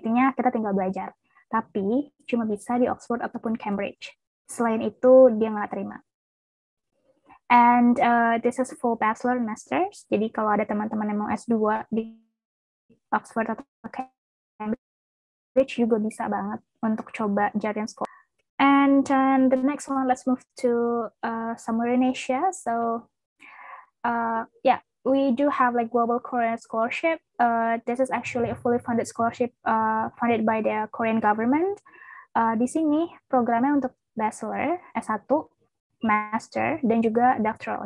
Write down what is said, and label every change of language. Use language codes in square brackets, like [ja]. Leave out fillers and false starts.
[id] Intinya kita tinggal belajar. Tapi cuma bisa di Oxford ataupun Cambridge. Selain itu, dia nggak terima. [en] And this is for bachelor and masters. [id] Jadi kalau ada teman-teman yang mau S2 di Oxford atau Cambridge, juga bisa banget untuk coba Jardim School. [en] And the next one, let's move to somewhere in Asia. So we do have like Global Korean Scholarship. This is actually a fully funded scholarship funded by the Korean government. [id] Di sini programnya untuk bachelor, S1, master, dan juga doctoral.